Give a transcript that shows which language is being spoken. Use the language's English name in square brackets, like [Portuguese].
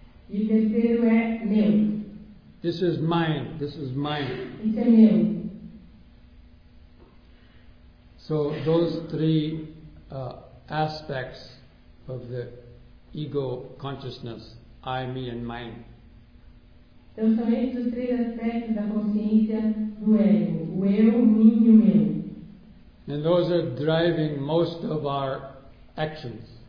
[Portuguese] E o terceiro é meu. [English] This is mine. This is mine. [Portuguese] Isso é meu. [English] So those three aspects of the ego consciousness, I, me, and mine. [Portuguese] Então são esses os três aspectos da consciência do ego, o eu, o mim e o meu. [English] And those are driving most of our actions.